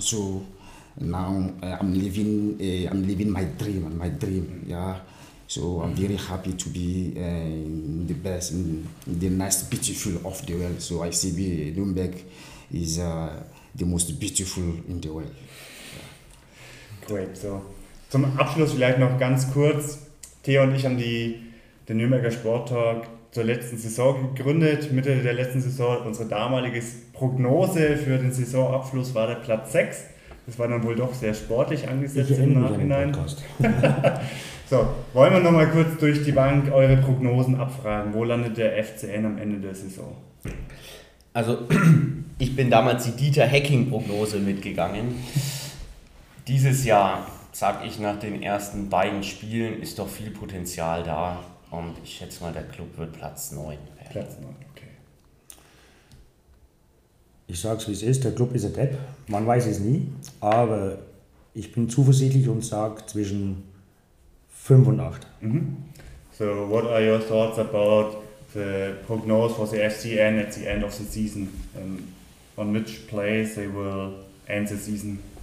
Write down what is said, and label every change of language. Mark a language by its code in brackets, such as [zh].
[en] So now I'm living my dream. Yeah. So I'm very happy to be in the nice beautiful of the world. So I see Nürnberg is the most beautiful in the world. Great. [de] So zum Abschluss vielleicht noch ganz kurz. Theo und ich haben den Nürnberger Sporttalk zur letzten Saison gegründet. Mitte der letzten Saison. Unsere damalige Prognose für den Saisonabschluss war der Platz 6. Das war dann wohl doch sehr sportlich angesetzt im Nachhinein. So, wollen wir nochmal kurz durch die Bank eure Prognosen abfragen. Wo landet der FCN am Ende der Saison? Also, ich bin damals die Dieter-Hecking-Prognose mitgegangen. Dieses Jahr, sage ich nach den ersten beiden Spielen, ist doch viel Potenzial da. Und ich schätze mal, der Club wird Platz 9 werden. Platz 9, okay. Ich sage es, wie es ist. Der Club ist ein Depp. Man weiß es nie. Aber ich bin zuversichtlich und sage zwischen 5 und 8. Mm-hmm. [en] So, what are your thoughts about the prognosis for the FCN at the end of the season? On which place they will end the season?